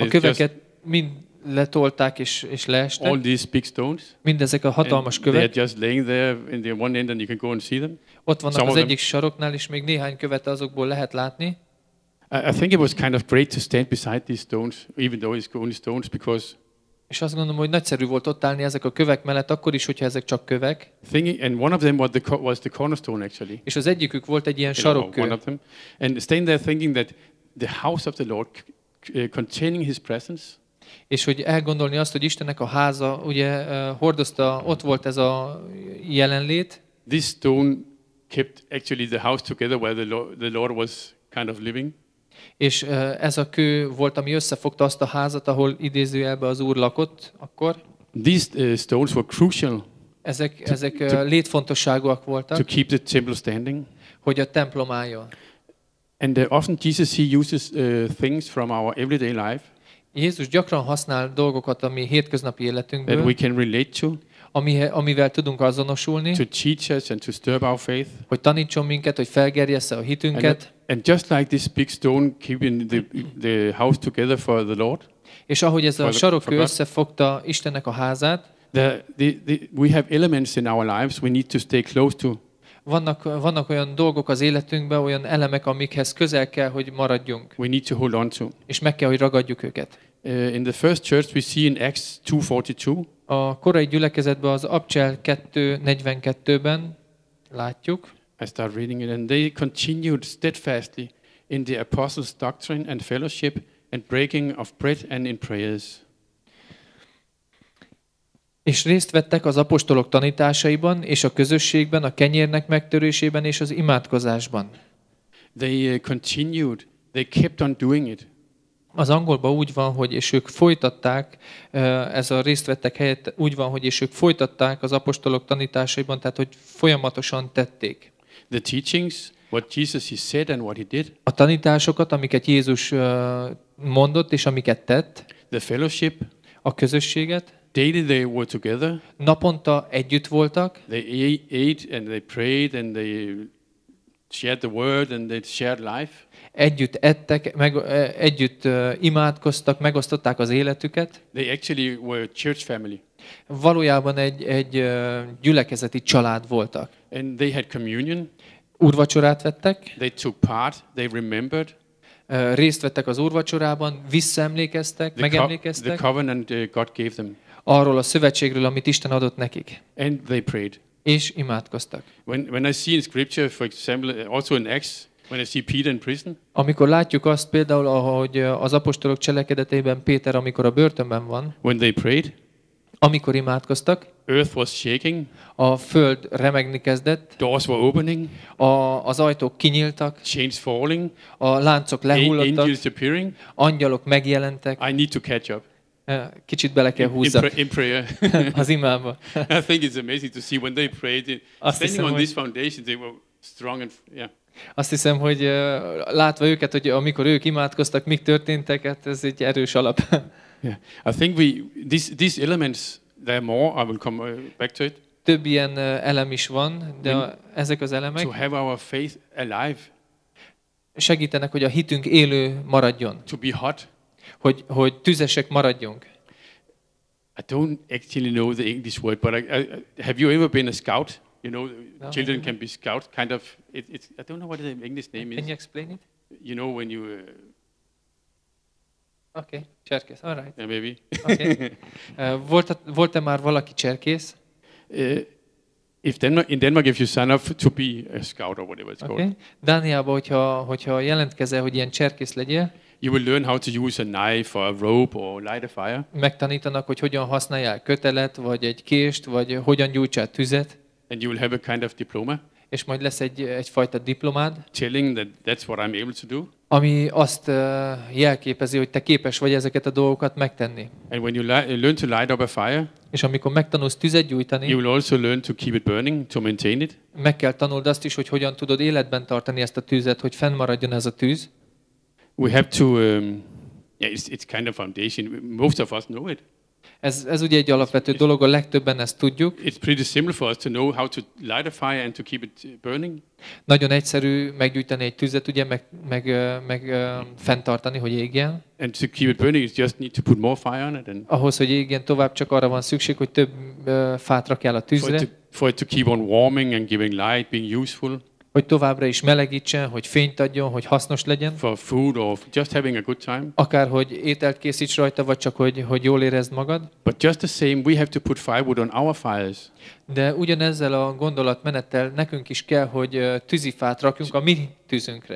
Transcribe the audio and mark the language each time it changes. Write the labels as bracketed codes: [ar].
[hu] a köveket mind letolták és leestek. [en] All these big stones. [hu] Mindezek a hatalmas [en] and [hu] kövek. [en] They are just laying there in the one end and you can go and see them. [hu] Ott vannak az egyik saroknál is még néhány követ azokból lehet látni. [en] I think it was kind of great to stand beside these stones even though it's only stones because [hu] és azt gondolom, hogy nagyszerű volt ott állni ezek a kövek mellett, akkor is, hogyha ezek csak kövek. [en] And one of them was the cornerstone actually. [hu] És az egyikük volt egy ilyen sarokkő. [en] One of them. And staying there thinking that the house of the Lord containing his presence. [hu] És hogy elgondolni azt, hogy Istennek a háza, ugye hordozta, ott volt ez a jelenlét. [en] This stone kept actually the house together where the Lord was kind of living. [hu] És ez a kő volt, ami összefogta azt a házat, ahol idézőjelben az Úr lakott akkor. [en] These stones were crucial. [hu] Ezek létfontosságúak voltak. [en] To keep the temple standing. [hu] Hogy a templom álljon. [en] And often Jesus he uses things from our everyday life. [hu] Jézus gyakran használ dolgokat a mi hétköznapi életünkből. [en] That we can relate to. [hu] Amivel tudunk azonosulni. [en] To teach us and to stir up our faith. [hu] Hogy tanítson minket, hogy felgerjessze a hitünket. [en] And just like this big stone keeping the house together for the Lord. [hu] És ahogy ez a sarokkő összefogta Istennek a házát. [en] We have elements in our lives we need to stay close to. [hu] Vannak olyan dolgok az életünkben, olyan elemek, amikhez közel kell, hogy maradjunk. [en] We need to hold on to. [hu] És meg kell, hogy ragadjuk őket. [en] In the first church we see in Acts 2:42. [hu] A korai gyülekezetben az Apcsel 2:42-ben látjuk. [en] I start reading it, and they continued steadfastly in the apostles' doctrine and fellowship and breaking of bread and in prayers. [hu] És részt vettek az apostolok tanításaiban és a közösségben, a kenyérnek megtörésében és az imádkozásban. [en] They continued, they kept on doing it. [hu] Az angolban úgy van, hogy és ők folytatták, ez a részt vettek helyett úgy van, hogy és ők folytatták az apostolok tanításaiban, tehát hogy folyamatosan tették. [en] The teachings, what Jesus he said and what he did. [hu] A tanításokat, amiket Jézus mondott és amiket tett. [en] The fellowship. [hu] A közösséget. [en] Daily they were together. [hu] Naponta együtt voltak. [en] They ate and they prayed and they shared the word and they shared life. [hu] Együtt ettek, együtt imádkoztak, megosztották az életüket. [en] They actually were a church family. [hu] Valójában egy gyülekezeti család voltak. [en] And they had communion. [hu] Úrvacsorát vettek. [en] They took part. They remembered. [hu] Részt vettek az úrvacsorában, visszaemlékeztek, megemlékeztek. [en] The covenant God gave them. [hu] Arról a szövetségről, amit Isten adott nekik. [en] And they prayed. [hu] És imádkoztak. [en] When I see in scripture, for example, also in Acts, when I see Peter in prison. [hu] Amikor látjuk azt például, ahogy az apostolok cselekedetében Péter, amikor a börtönben van. [en] When they prayed. [hu] Amikor imádkoztak. [en] Earth was shaking. [hu] A föld remegni kezdett. [en] Doors were opening. [hu] Az ajtók kinyíltak. [en] Chains falling. [hu] A láncok lehullottak. [en] Angels appearing. [hu] Angyalok megjelentek. [en] I need to catch up. [hu] Kicsit bele kell húzzak. [en] In prayer. [hu] Az imába. [en] I think it's amazing to see when they prayed. Standing on this foundation, they were strong and yeah. [hu] Azt hiszem, hogy látva őket, hogy amikor ők imádkoztak, mik történtek, hát ez egy erős alap. [en] Yeah. I think these elements. There are more. I will come back to it. [hu] Több ilyen elem is van, de ezek az elemek. [en] To have our faith alive. [hu] Segítenek, hogy a hitünk élő maradjon. [en] To be hot. [hu] Hogy tüzesek maradjunk. [en] I don't actually know the English word, but have you ever been a scout? You know, children can be scout, kind of. It's I don't know what the English name is. Can you explain it? You know when you. Oké, okay, cserkész, all right. Yeah, maybe. Okay. [hu] Volt-e már valaki cserkész? [en] In Denmark, if you sign up to be a scout or whatever it's called. Okay. [hu] Dániában, hogyha jelentkezel, hogy ilyen cserkész legyél. [en] You will learn how to use a knife or a rope or light a fire. [hu] Megtanítanak, hogy hogyan használjál kötelet, vagy egy kést, vagy hogyan gyújtsál tüzet. [en] And you will have a kind of diploma. [hu] És majd lesz egyfajta diplomád. [en] Telling that that's what I'm able to do. [hu] ami azt jelképezi, hogy te képes vagy ezeket a dolgokat megtenni. [en] And when you learn to light up a fire, [hu] és amikor megtanulsz tüzet gyújtani, [en] you will also learn to keep it burning, to maintain it. [hu] Meg kell tanuld azt is, hogy hogyan tudod életben tartani ezt a tüzet, hogy fennmaradjon ez a tűz. [en] We have to it's kind of foundation. Most of us know it. [hu] Ez ugye egy alapvető dolog, a legtöbben ezt tudjuk. [en] It's pretty simple for us to know how to light a fire and to keep it burning. [hu] Nagyon egyszerű meggyújtani egy tüzet, ugye meg fenntartani, hogy égjen. [en] And to keep it burning, you just need to put more fire on it. And [hu] ahhoz, hogy égjen tovább, csak arra van szükség, hogy több fát rakjál a tűzre. [en] For it to keep on warming and giving light, being useful. [hu] Hogy továbbra is melegítsen, hogy fényt adjon, hogy hasznos legyen. [en] For food or just having a good time. [hu] Akár hogy ételt készíts rajta, vagy csak hogy jól érezd magad. [en] But just the same, we have to put firewood on our fires. [hu] De ugyanezzel a gondolatmenettel nekünk is kell, hogy tűzifát rakjunk a mi tűzünkre.